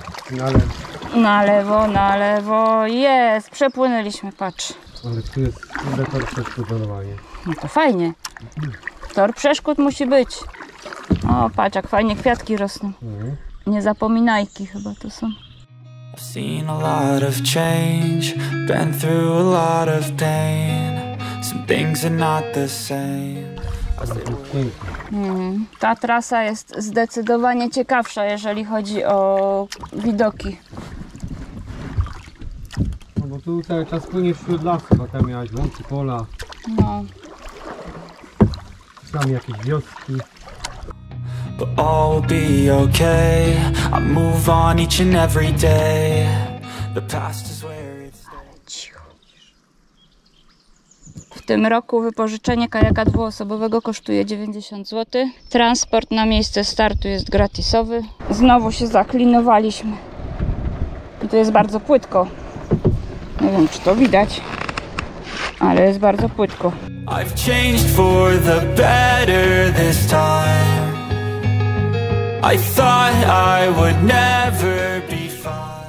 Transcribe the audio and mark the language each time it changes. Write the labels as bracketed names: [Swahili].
[Polish] Na lewo. Na lewo, na lewo. Jest, przepłynęliśmy, patrz. Ale tu jest tor przeszkód zadowolenie. No to fajnie. Tor przeszkód musi być. O, patrz, jak fajnie kwiatki rosną. Nie zapominajki chyba to są. [English] I've seen a lot of change, been through a lot of pain. Some things are not the same. [Polish] Ta trasa jest zdecydowanie ciekawsza, jeżeli chodzi o widoki. No bo tu cały czas płynie wśród lasu, bo tam miałeś łąki pola. No. Tam jakieś wioski. [English] But all will be okay. I move on each and every day. The past is where it stays. [Polish] W tym roku wypożyczenie kajaka dwuosobowego kosztuje 90 zł. Transport na miejsce startu jest gratisowy. Znowu się zaklinowaliśmy. I to jest bardzo płytko. Nie wiem, czy to widać, ale jest bardzo płytko. [English] I've changed for the better this time. I thought I would never be fine.